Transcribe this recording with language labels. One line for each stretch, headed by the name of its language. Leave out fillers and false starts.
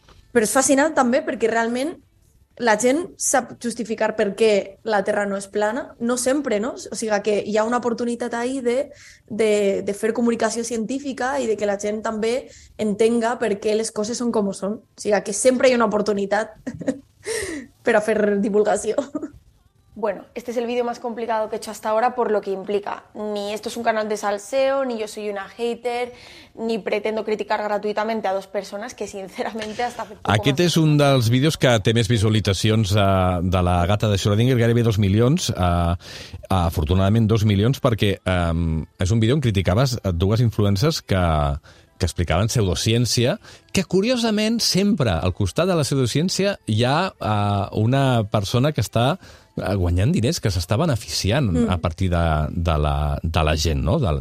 Catalan: Però és fascinant també perquè realment la gent sap justificar per què la Terra no és plana, no sempre, no? O sigui, que hi ha una oportunitat ahí de fer comunicació científica i de que la gent també entenga per què les coses són com són. O sigui, que sempre hi ha una oportunitat per a fer divulgació.
Spanish: Bueno, este es el vídeo más complicado que he hecho hasta ahora por lo que implica. Ni esto es un canal de salseo, ni yo soy una hater, ni pretendo criticar gratuitamente a dos personas que sinceramente hasta...
Catalan: Aquest és un dels vídeos que té més visualitzacions de la gata de Schrödinger, gairebé 2 milions, afortunadament 2 milions, perquè és un vídeo on criticaves dues influencers que explicaven pseudociència, que curiosament sempre al costat de la pseudociència hi ha una persona que està guanyant diners, que s'està beneficiant a partir de la gent, no?